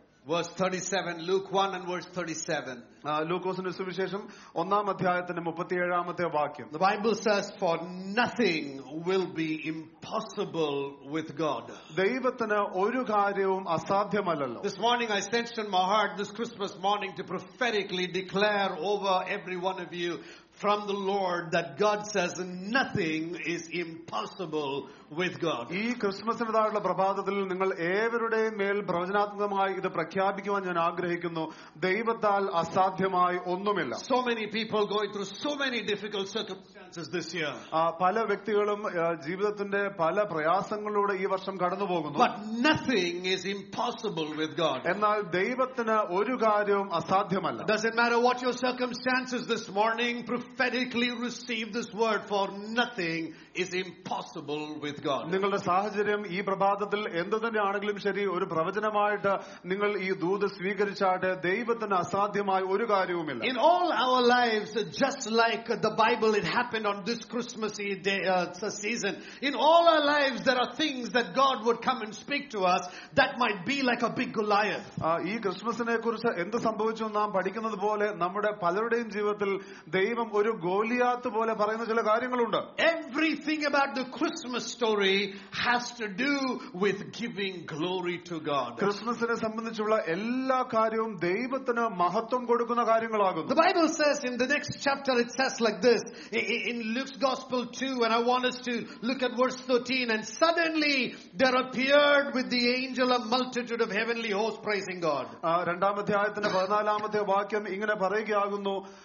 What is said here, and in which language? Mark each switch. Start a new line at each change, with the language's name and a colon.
English: Luke 1 and verse 37. The Bible says, "For nothing will be impossible with God." This morning I sensed in my heart this Christmas morning to prophetically declare over every one of you from the Lord that God says nothing is impossible with God.
Malayalam: ഈ ക്രിസ്മസിനോടുള്ള പ്രഭാതത്തിൽ നിങ്ങൾ ഏവരുടെയും മേൽ പ്രവചനാത്മകമായി ഇത് പ്രഖ്യാപിക്കുവാൻ ഞാൻ ആഗ്രഹിക്കുന്നു. ദൈവത്താൽ അസാധ്യമായി ഒന്നുമില്ല.
English: So many people going through so many difficult circumstances this year.
Malayalam: പല വ്യക്തികളും ജീവിതത്തിന്റെ പല പ്രയാസങ്ങളിലൂടെ ഈ വർഷം കടന്നുപോകുന്നു.
English: But nothing is impossible with God.
Malayalam: എന്നാൽ ദൈവത്തിന് ഒരു കാര്യവും അസാധ്യമല്ല.
English: Does it matter what your circumstances this morning? Prophetically receive this word, for nothing is impossible with God.
Malayalam: നിങ്ങളുടെ സാഹചര്യം ഈ പ്രഭാതത്തിൽ എന്തുതന്നെയാണെങ്കിലും ശരി, ഒരു പ്രവചനമായിട്ട് നിങ്ങൾ ഈ ദൂത് സ്വീകരിച്ചാട്ടെ, ദൈവത്തിന് അസാധ്യമായ ഒരു കാര്യവുമില്ല.
English: In all our lives, just like the Bible, it happened on this Christmas season. In all our lives, there are things that God would come and speak to us that might be like a big Goliath.
Malayalam: ഈ ക്രിസ്മസിനെ കുറിച്ച് എന്ത് സംഭവിച്ചു നാം പഠിക്കുന്നത് പോലെ നമ്മുടെ പലരുടെയും ജീവിതത്തിൽ ദൈവം ഒരു ഗോലിയാത്ത് പോലെ പറയുന്ന ചില കാര്യങ്ങളുണ്ട്.
English: Everything about the Christmas story has to do with giving glory to God.
Malayalam: ക്രിസ്മസിനെ സംബന്ധിച്ചുള്ള എല്ലാ കാര്യവും ദൈവത്തിന് മഹത്വം കൊടുക്കുന്ന കാര്യങ്ങളാകുന്നു.
English: The Bible says in the next chapter, it says like this in Luke's Gospel 2, and I want us to look at verse 13. And suddenly there appeared with the angel a multitude of heavenly hosts praising God.
Malayalam: രണ്ടാം അധ്യായത്തിന്റെ 14-ാമത്തെ വാക്യം ഇങ്ങനെ പറയുകയാകുന്നു.